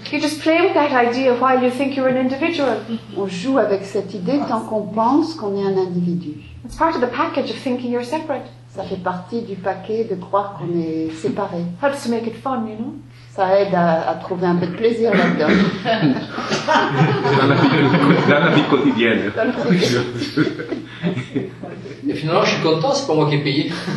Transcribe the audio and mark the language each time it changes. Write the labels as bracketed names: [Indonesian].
[English] You just play with that idea while you think you're an individual. [French] On joue avec cette idée tant qu'on pense qu'on est un individu. [English] It's part of the package of thinking you're separate. [French] Ça fait partie du paquet de croire qu'on est séparé. [English] Helps to make it fun, you know. [French] Ça aide à trouver un peu de plaisir là-dedans. Dans la vie quotidienne. Et finalement, je suis content, c'est pas moi qui ai payé.